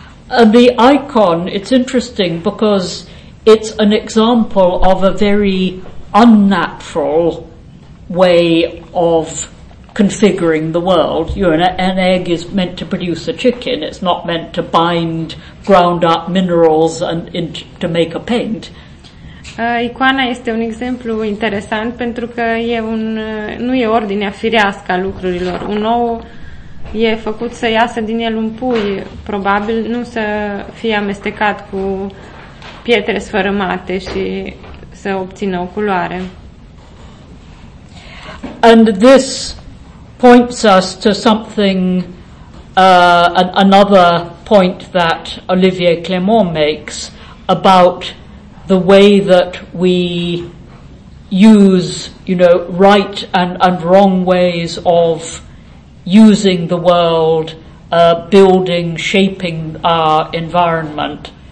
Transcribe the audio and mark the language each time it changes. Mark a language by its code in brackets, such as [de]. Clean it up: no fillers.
[en] And the icon, it's interesting because it's an example of a very unnatural way of configuring the world. You know, an egg is meant to produce a chicken. It's not meant to bind ground up minerals and to make a paint. [ro] Icoana este un exemplu interesant pentru că nu e ordinea firească a lucrurilor. Un ou e făcut să iasă din el un pui, probabil nu să fie amestecat cu pietre sfărâmate și să obțină o culoare. [en] And this points us to something, another point that Olivier Clément makes about the way that we use, you know, right and wrong ways of using the world, building, shaping our environment.